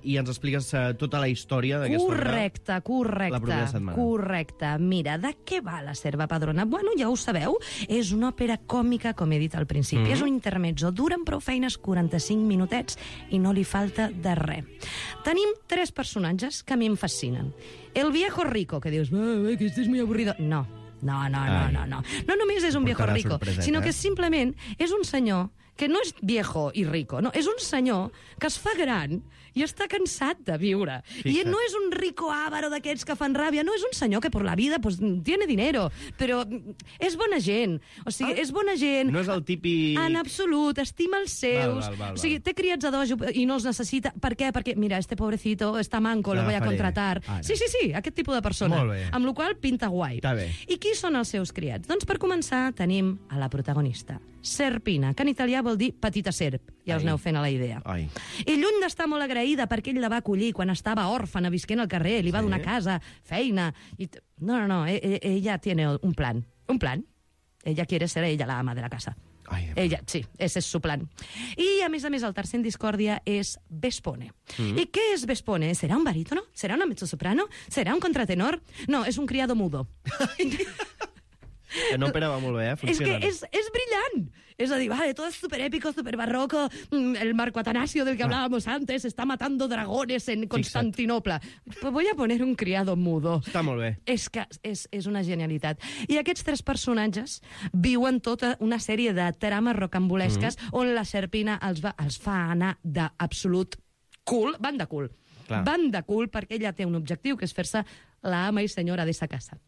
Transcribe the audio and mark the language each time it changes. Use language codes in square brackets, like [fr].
[ca] I ens expliques tota la història d'aquesta òpera. Correcte, correcte. La propera setmana. Correcte. Mira, de què va la Serva Padrona? Bueno, ja ho sabeu, és una òpera còmica, com he dit al principi. Mm-hmm. És un intermezzo, dura amb prou feines 45 minutets i no li falta de res. Tenim tres personatges que a mi em fascinen. [es] El viejo rico, [ca] que dius, [es] que este es muy aburrido. [ca] No. No només és un [es] viejo rico, [ca] sinó que simplement és un senyor que no és viejo i rico, no, és un senyor que es fa gran i està cansat de viure. Fixa't. I no és un [es] rico avaro [ca] d'aquests que fan ràbia, no, és un senyor que per la vida pues, [es] tiene dinero, [ca] però és bona gent. O sigui, és bona gent. No és el típic... En absolut, estima els seus. Val. O sigui, té criats a dojo i no els necessita. Per què? Perquè, [es] mira, este pobrecito está manco, lo voy a contratar. [ca] Ara. Sí, sí, sí, aquest tipus de persona. Molt bé. Amb la qual pinta guai. Està bé. I qui són els seus criats? Doncs per començar tenim a la protagonista. Serpina, que en italià vol dir petita serp. Ja us aneu fent a la idea. Ai. I lluny d'estar molt agraïda perquè ell la va acollir quan estava òrfana, visquent al carrer, li va donar casa, feina... [es] I... No. Ella tiene un plan. Un plan. Ella quiere ser ella la ama de la casa. Ai, ella, sí, ese es su plan. [ca] I, a més, el tercer en discòrdia és Vespone. Mm-hmm. I què és Vespone? Serà un barítono? Serà una mezzosoprano? Serà un contratenor? No, és un [es] criado mudo. [ca] Que no operava molt bé, funciona. És que és brillant. És a dir, [es] vale, todo es súper épico, súper barroco. El Marco Atanasio del que hablábamos antes está matando dragones en Constantinopla. Pues voy a poner un criado mudo. [ca] Està molt bé. És que és una genialitat. I aquests tres personatges viuen tota una sèrie de trames rocambolesques on la Serpina els fa anar d'absolut cul. Van de cul. Clar. Van de cul perquè ella té un objectiu, que és fer-se... l'ama i senyora d'essa casa.